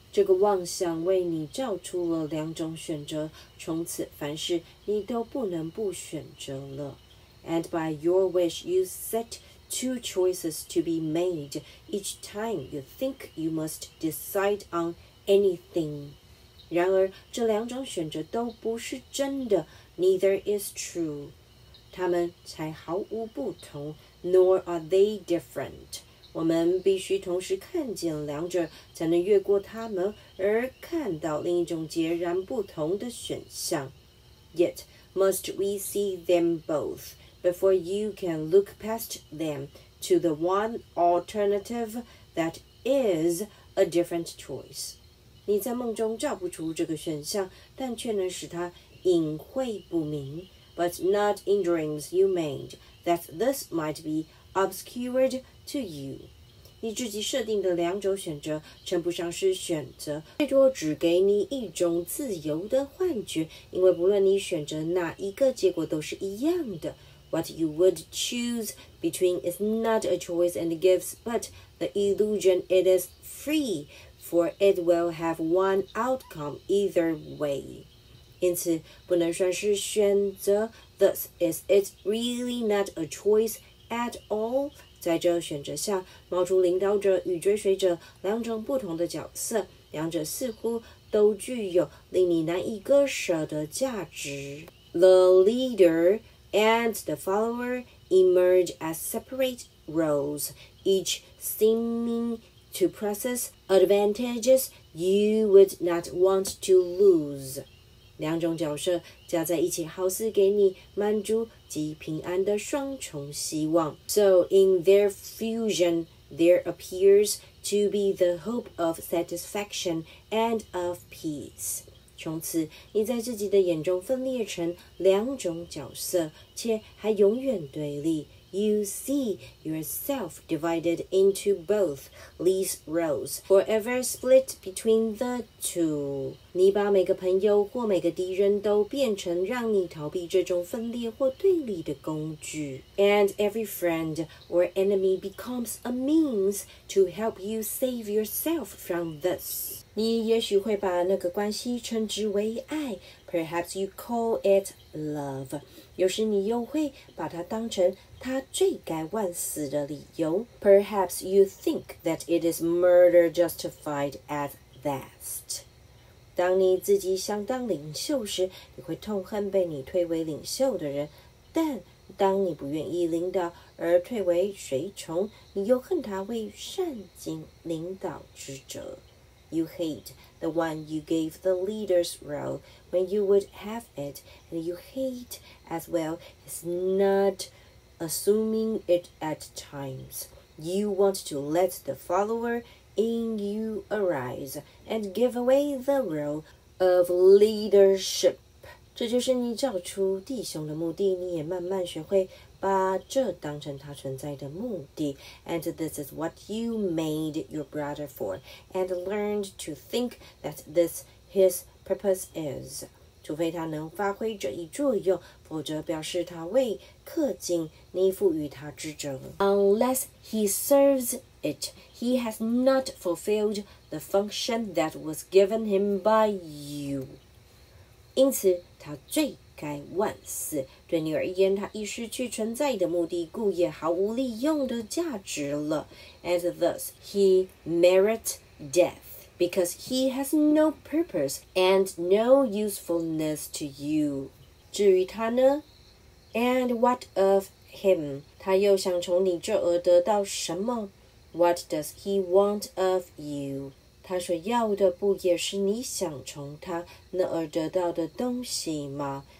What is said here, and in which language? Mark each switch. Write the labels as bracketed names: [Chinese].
[Chinese] 这个妄想为你造出了两种选择，从此凡事你都不能不选择了。 [English] And by your wish, you set two choices to be made each time you think you must decide on anything. [Chinese] 然而这两种选择都不是真的， [English] neither is true. [Chinese] 他们才毫无不同， [English] nor are they different. [Chinese] 我们必须同时看见两者，才能越过他们而看到另一种截然不同的选项。 [English] Yet must we see them both? Before you can look past them to the one alternative that is a different choice. [Chinese] 你在梦中找不出这个选项，但却能使它隐晦不明。 [English] But not in dreams you made, that this might be obscured to you. [Chinese] 你自己设定的两种选择称不上是选择，最多只给你一种自由的幻觉，因为不论你选择哪一个，结果都是一样的。 [English] What you would choose between is not a choice and gives, but the illusion it is free, for it will have one outcome either way. [Chinese] 因此不能算是选择。 [English] Thus, is it really not a choice at all? [Chinese] 在这选择下，冒出领导者与追随者两种不同的角色，两者似乎都具有令你难以割舍的价值。 [English] The leader... And the follower emerge as separate roles, each seeming to possess advantages you would not want to lose. [Chinese] 两种角色加在一起好似给你满足及平安的双重希望。 [English] So in their fusion, there appears to be the hope of satisfaction and of peace. [Chinese] 从此你在自己的眼中分裂成两种角色，且还永远对立。 [English] You see yourself divided into both these roles, forever split between the two. [Chinese] 你把每个朋友或每个敌人都变成让你逃避这种分裂或对立的工具。 [English] And every friend or enemy becomes a means to help you save yourself from this. [Chinese] 你也许会把那个关系称之为爱。 [English] Perhaps you call it love. [Chinese] 有时你又会把它当成他罪该万死的理由。 [English] Perhaps you think that it is murder justified at last. [Chinese] 当你自己想当领袖时，你会痛恨被你推为领袖的人，但当你不愿意领导而退为随从，你又恨他为善尽领导之责。 [English] You hate the one you gave the leader's role when you would have it, and you hate as well his not assuming it at times. You want to let the follower. In you arise and give away the role of leadership. [Chinese] 这就是你找出弟兄的目的，你也慢慢学会把这当成他存在的目的。 [English] And this is what you made your brother for, and learned to think that this his purpose is. [Chinese] 除非他能发挥这一作用，否则表示他为恪尽你赋予他之责。 [English] Unless he serves it. He has not fulfilled the function that was given him by you. [Chinese] 因此他罪该万死，对你而言他已失去存在的目的，故也毫无利用的价值了。 [English] And thus he merits death, because he has no purpose and no usefulness to you. [Chinese] 至于他呢？ [English] And what of him? [Chinese] 他又想从你这儿得到什么？ [English] What does he want of you? [Chinese] 他所要的不也是你想从他那儿得到的东西吗？